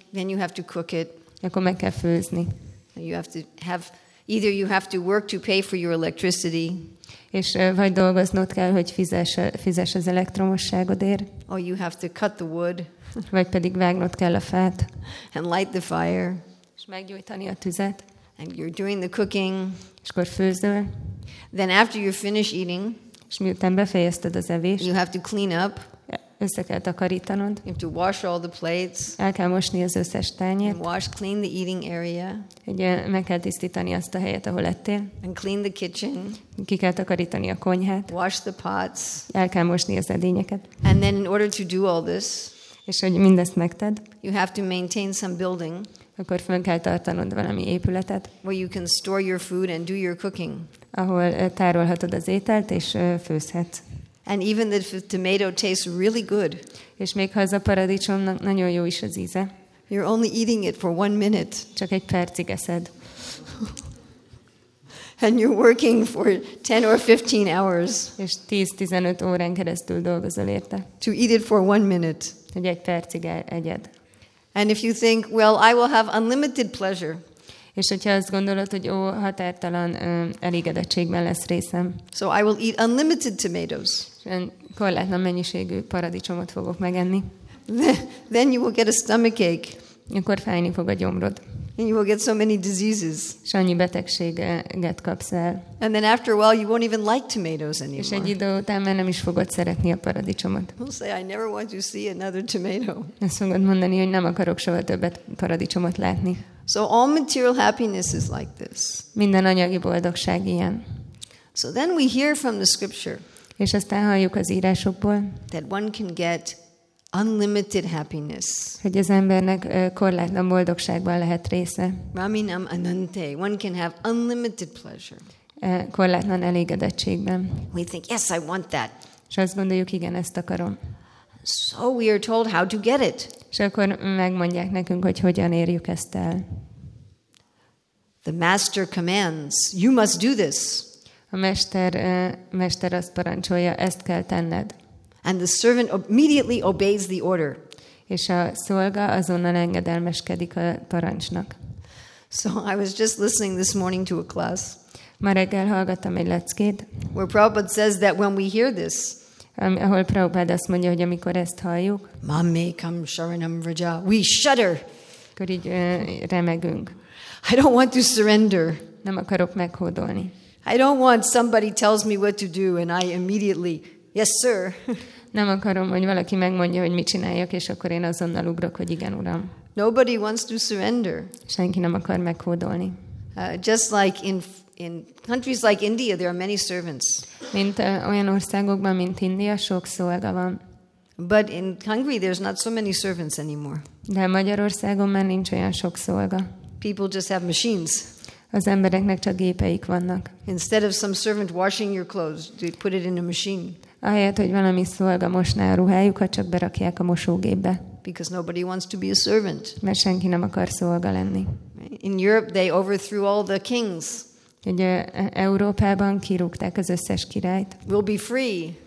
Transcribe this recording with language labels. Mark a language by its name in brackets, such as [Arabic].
[English] Then you have to cook it. [Hungarian] Akkor meg kell főzni. [English] You have to have either you have to work to pay for your electricity. [Hungarian] És vagy dolgoznod kell, hogy fizess az elektromosságodért. [English] Or you have to cut the wood. [Hungarian] Vagy pedig vágnod kell a fát. [English] And light the fire. [Hungarian] És meggyújtani a tüzet. [English] And you're doing the cooking. [Hungarian] És akkor főzöl. [English] Then after you finish eating. [Hungarian] És miután befejezted az evést. [English] You have to clean up. [Hungarian] Össze kell takarítanod. [English] You have to wash all the plates. [Hungarian] El kell mosni az összes tányért. [English] And wash, clean the eating area. [Hungarian] Meg kell tisztítani azt a helyet, ahol ettél. [English] And clean the kitchen. [Hungarian] Ki kell takarítani a konyhát. [English] Wash the pots. [Hungarian] El kell mosni az edényeket. [English] And then in order to do all this. [Hungarian] És hogy mindezt megted. [English] You have to maintain some building. [Hungarian] Akkor fel kell tartanod valami épületet. [English] Where you can store your food and do your cooking. [Hungarian] Ahol tárolhatod az ételt és főzhetsz. [English] And even the tomato tastes really good. [Hungarian] És még ha a paradicsomnak nagyon jó is az íze. [English] You're only eating it for one minute. [Hungarian] Csak egy percig eszed. [English] And you're working for 10 or 15 hours. [Hungarian] És 10-15 órán keresztül dolgozol érte. [English] To eat it for one minute. [Hungarian] Hogy egy percig egyed. [English] And if you think, well, I will have unlimited pleasure. [Hungarian] És hogyha azt gondolod, hogy ó, határtalan elégedettségben lesz részem. [English] So I will eat unlimited tomatoes. [Hungarian] Korlátlan mennyiségű paradicsomot fogok megenni. [English] Then you will get a stomach ache. [Hungarian] Akkor fájni fog a gyomrod. [English] And you will get so many diseases. [Hungarian] És annyi betegséget kapsz el. [English] And then after a while you won't even like tomatoes anymore. [Hungarian] És egy idő után már nem is fogod szeretni a paradicsomot. [English] You'll say, I never want to see another tomato. [Hungarian] Ezt fogod mondani, hogy nem akarok soha többet paradicsomot látni. [English] So all material happiness is like this. [Hungarian] Minden anyagi boldogság ilyen. [English] So then we hear from the scripture. [Hungarian] És aztán halljuk az írásokból. [English] That one can get unlimited happiness. [Hungarian] Hogy az embernek korlátlan boldogságban lehet része. [Sanskrit] Raminam anante. [English] One can have unlimited pleasure. [Hungarian] Korlátlan elégedettségben. [English] We think, yes, I want that. [Hungarian] És azt gondoljuk, igen, ezt akarom. [English] So we are told how to get it. [Hungarian] És akkor megmondják nekünk, hogy hogyan érjük ezt el. [English] The master commands, you must do this. [Hungarian] A mester azt parancsolja, ezt kell tenned. [English] And the servant immediately obeys the order. [Hungarian] És a szolga azonnal engedelmeskedik a parancsnak. [English] So I was just listening this morning to a class. [Hungarian] Ma reggel hallgattam egy leckét. [English] Where Prabhupada says that when we hear this, [Hungarian] ahol Prabhupád azt mondja, hogy amikor ezt halljuk, [Sanskrit] Mamme kam sharanam vraja, [English] we shudder. [Hungarian] Akkor így remegünk. [English] I don't want to surrender. [Hungarian] Nem akarok meghódolni. [English] I don't want somebody tells me what to do and I immediately, yes sir. [Hungarian] Nem akarom, hogy valaki megmondja, hogy mit csináljak, és akkor én azonnal ugrok, hogy igen, uram. [English] Nobody wants to surrender. [Hungarian] Senki nem akar meghódolni. [English] Just like in countries like India, there are many servants. [Hungarian] Mint olyan országokban, mint India, sok szolga van. [English] But in Hungary, there's not so many servants anymore. [Hungarian] De Magyarországon már nincs olyan sok szolga. [English] People just have machines. [Hungarian] Az embereknek csak gépeik vannak. [English] Instead of some servant washing your clothes, they put it in a machine. [Hungarian] Ahelyett, hogy valami szolga mosná a ruhájukat, csak berakják a mosógépbe. [English] Because nobody wants to be a servant. [Hungarian] Mert senki nem akar szolga lenni. [English] In Europe, they overthrew all the kings. [Hungarian] Ugye Európában kirúgták az összes királyt. [English] We'll be free.